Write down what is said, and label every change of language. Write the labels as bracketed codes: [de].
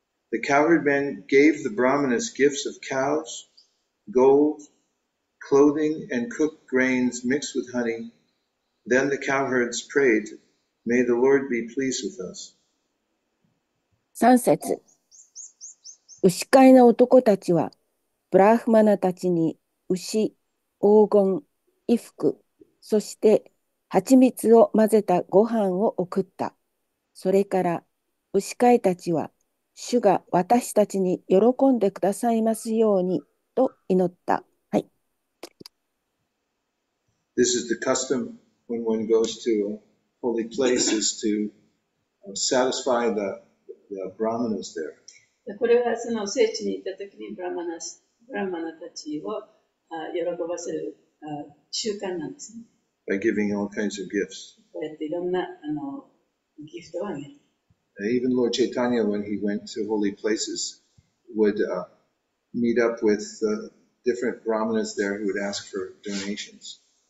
[en] The cowherd man gave the brahmanas gifts of cows, gold, clothing, and cooked grains mixed with honey. Then the cowherds prayed, May the Lord be pleased with us. [ja] 三節。牛飼いの男たちは、ブラフマナたちに牛、黄金、衣服、そして蜂蜜を混ぜたご飯を送った。それから牛飼いたちは、主が私たちに喜んでくださいますようにと祈った。はい。 [en] This is the custom when one goes to a holy place is to satisfy the brahmanas there. [ja] これはその聖地に行った時にブラマナたちを喜ばせる習慣なんですね。 [en] By giving all kinds of gifts. [ja] こうやっていろんなギフトをあげる。 [en] Even Lord Chaitanya, when he went to holy places, would meet up with different brahmanas there who would ask for donations.